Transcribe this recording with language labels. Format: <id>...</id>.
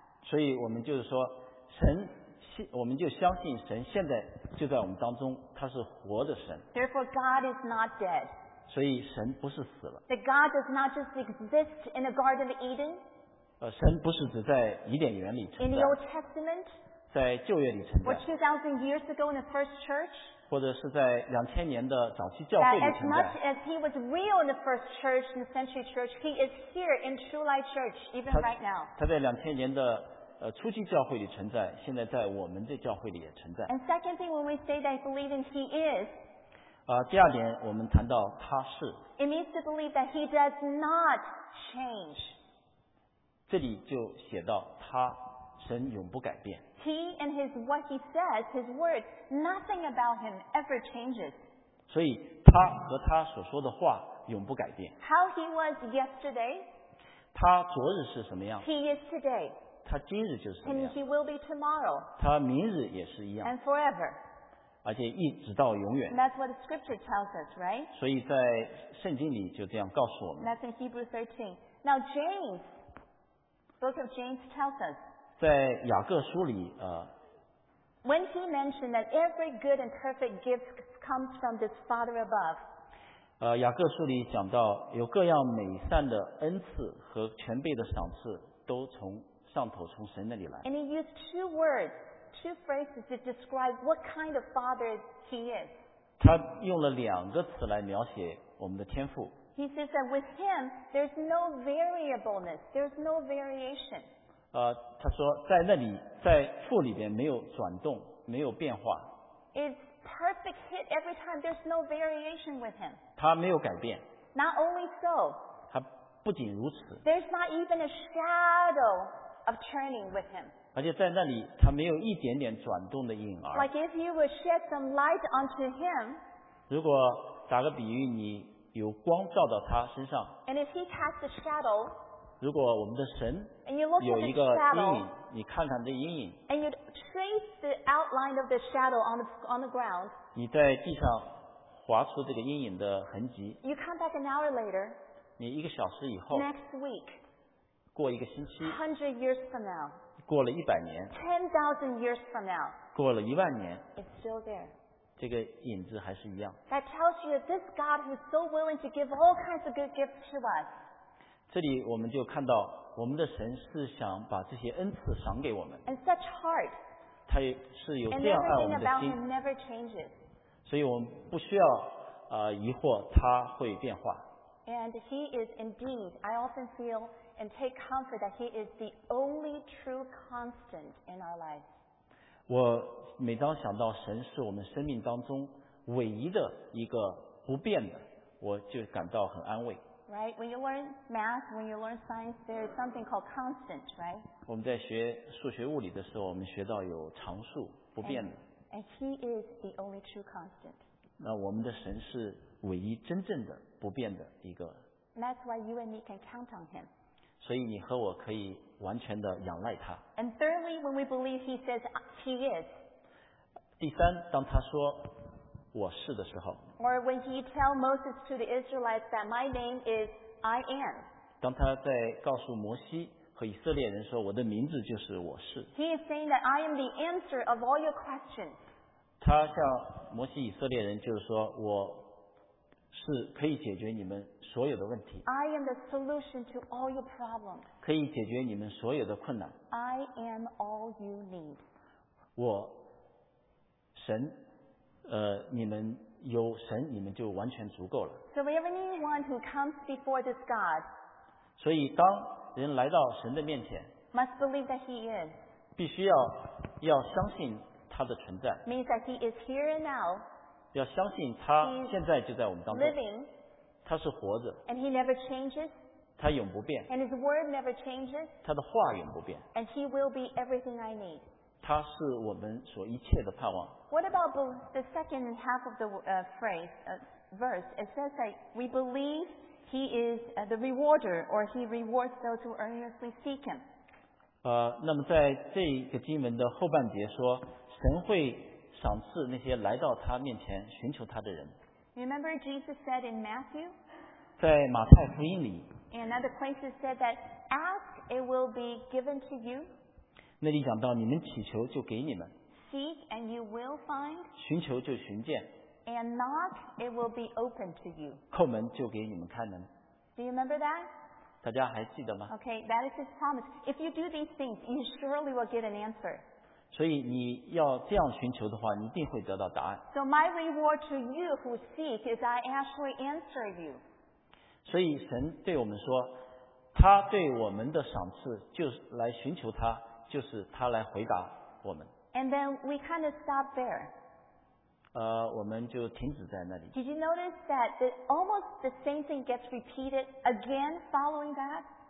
<zh>所以我们就是说，神，我们就相信神现在就在我们当中，他是活的神。</zh> <en>Therefore, God is not dead.</en> <zh>所以神不是死了。</zh> <en>That God does not just exist in the Garden of Eden.</en> <zh>神不是只在伊甸园里存在。</zh> <en>In the Old Testament.</en> <zh>在旧约里存在。</zh> <en>Or 2,000 years ago in the first church.</en> <zh>或者是在2000年的早期教会里存在。</zh> <en>That as much as He was real in the first church, in the century church, He is here in True Light Church, even right now.</en> <zh>他在2000年的初期教会里存在，现在在我们的教会里也存在。</zh> <en>And second thing, when we say that believing He is.</en> <zh>第二点我们谈到他是。</zh> <en>It means to believe that he does not change.</en> <zh>这里就写到他神永不改变。</zh> <en>He and what he says, his words, nothing about him ever changes.</en> <zh>所以他和他所说的话永不改变。</zh> <en>How he was yesterday.</en> <zh>他昨日是什么样。</zh> <en>He is today.</en> <zh>他今日就是什么样。</zh> <en>And he will be tomorrow.</en> <zh>他明日也是一样。</zh> <en>And forever.</en> <zh>而且一直到永远。</zh> <en>And that's what the scripture tells us, right?</en> <zh>所以在圣经里就这样告诉我们。</zh> <en>That's in Hebrews 13. Now James, book of James tells us.</en> <zh>在雅各书里，</zh> <en>When he mentioned that every good and perfect gift comes from this Father above.</en> <zh>雅各书里讲到有各样美善的恩赐和全备的赏赐都从上头从神那里来。</zh> <en>And he used two words, two phrases to describe what kind of father he is.</en> <zh>他用了两个词来描写我们的天父。</zh> <en>He says that with him, there's no variableness, there's no variation.</en> <zh>他说在那里在父里边没有转动没有变化。</zh> <en>It's perfect hit every time, there's no variation with him.</en> <zh>他没有改变。</zh> <en>Not only so,</en> <zh>他不仅如此。</zh> <en>There's not even a shadow of turning with him.</en> <zh>而且在那里他没有一点点转动的影儿。</zh> <en>Like if you would shed some light onto him,</en> <zh>如果打个比喻你有光照到他身上。</zh> <en>And if he casts a shadow,</en> <zh>如果我们的神有一个阴影你看看这阴影</zh> <en>and you trace the outline of the shadow on the ground</en> <zh>你在地上划出这个阴影的痕迹</zh> <en>you come back an hour later</en> <zh>你一个小时以后</zh> <en>next week</en> <zh>过一个星期</zh> <en>100 years from now</en> <zh>过了一百年</zh> <en>10,000 years from now</en> <zh>过了一万年</zh> <en>it's still there</en> <zh>这个影子还是一样</zh> <en>that tells you this God who's so willing to give all kinds of good gifts to us</en> <zh>这里我们就看到我们的神是想把这些恩赐赏给我们</zh> <en>and such heart,</en> <zh>他是有这样爱我们的心</zh> <en>never changes.</en> <zh>所以我们不需要疑惑他会变化</zh> <en>and he is indeed I often feel and take comfort that he is the only true constant in our life</en> <zh>我每当想到神是我们生命当中唯一的一个不变的我就感到很安慰</zh> <en>Right? When you learn math, when you learn science, there is something called constant, right?</en> <zh>我们在学数学物理的时候，我们学到有常数，不变的。</zh> <en>And he is the only true constant.</en> <zh>那我们的神是唯一真正的不变的一个。</zh> <en>That's why you and me can count on him.</en> <zh>所以你和我可以完全的仰赖他。</zh> <en>And thirdly, when we believe he says he is.</en> <zh>第三，当他说。我是的时候</zh> <en>or when he tell Moses to the Israelites that my name is I am</en> <zh>当他在告诉摩西和以色列人说我的名字就是我是</zh> <en>he is saying that I am the answer of all your questions</en> <zh>他向摩西以色列人就是说我是可以解决你们所有的问题</zh> <en>I am the solution to all your problems</en> <zh>可以解决你们所有的困难</zh> <en>I am all you need</en> <zh>我神你们有神，你们就完全足够了。</zh> <en>So everyone who comes before this God,</en> <zh>所以当人来到神的面前</zh> <en>must believe that he is.</en> <zh>必须要相信他的存在。</zh> <en>Means that he is here and now.</en> <zh>要相信他现在就在我们当中。</zh> <en>Living,</en> <zh>他是活着。</zh> <en>And he never changes.</en> <zh>他永不变。</zh> <en>And his word never changes.</en> <zh>他的话永不变。</zh> <en>And he will be everything I need.</en> <zh>他是我们所一切的盼望。</zh> <en>What about the second half of the phrase, verse? It says that we believe he is the rewarder, or he rewards those who earnestly seek him.</en> <zh>那么在这个经文的后半节说，神会赏赐那些来到他面前寻求他的人。</zh> <en>Remember Jesus said in Matthew?</en> <zh>在马太福音里。</zh> <en>And other places said that ask, it will be given to you.</en> <zh>那里讲到你们祈求就给你们。</zh> <en>Seek and you will find.</en> <zh>寻求就寻见。</zh> <en>And knock, it will be open to you.</en> <zh>叩门就给你们开门。</zh> <en>Do you remember that?</en> <zh>大家还记得吗？</zh> <en>Okay, that is his promise. If you do these things, you surely will get an answer.</en> <zh>所以你要这样寻求的话，你一定会得到答案。</zh> <en>So my reward to you who seek is I actually answer you.</en> <zh>所以神对我们说，他对我们的赏赐就是来寻求他，就是他来回答我们。</zh> <en>And then we kind of stop there.</en> <zh>我们就停止在那里。</zh> <en>Did you notice that almost the same thing gets repeated again following that?</en>